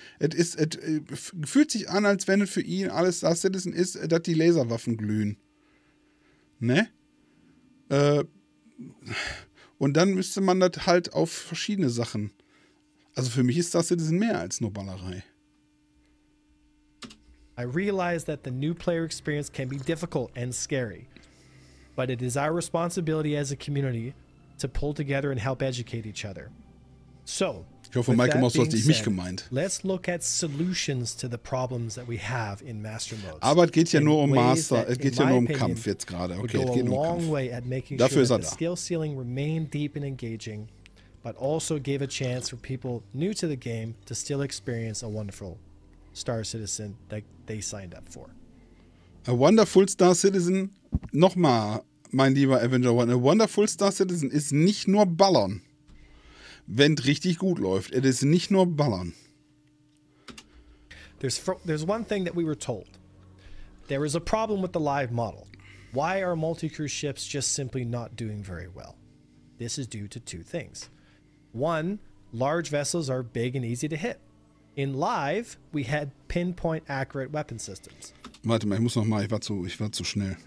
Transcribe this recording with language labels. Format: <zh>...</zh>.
<de>Es fühlt sich an, als wenn es für ihn alles Star Citizen ist, dass die Laserwaffen glühen. Ne? Und dann müsste man das halt auf verschiedene Sachen. Also für mich ist das jetzt mehr als nur Ballerei.</de> <en>I realize that the new player experience can be difficult and scary, but it is our responsibility as a community to pull together and help educate each other. So,</en> <de>ich hoffe, Michael Moss hat mich gemeint.</de> <en>Let's look at solutions to the problems that we have in Master Modes.</en> <de>Aber es geht ja nur um Master, es geht ja nur um Kampf jetzt gerade. Okay, es geht nur um Kampf. Dafür ist er da.</de> <en>Skill ceiling remain deep and engaging, but also give a chance for people new to the game to still experience a wonderful Star Citizen that they signed up for. A wonderful Star Citizen,</en> <de>nochmal, mein lieber Avenger One,</de> <en>a wonderful Star Citizen</en> <de>ist nicht nur ballern, wenn es richtig gut läuft. Es ist nicht nur ballern.</de> <en>There's one thing that we were told. There is a problem with the live model. Why are multi-crew ships just simply not doing very well? This is due to two things. One, large vessels are big and easy to hit. In live, we had pinpoint accurate weapon systems.</en> <de>Warte mal, ich muss noch mal, ich war zu schnell.</de>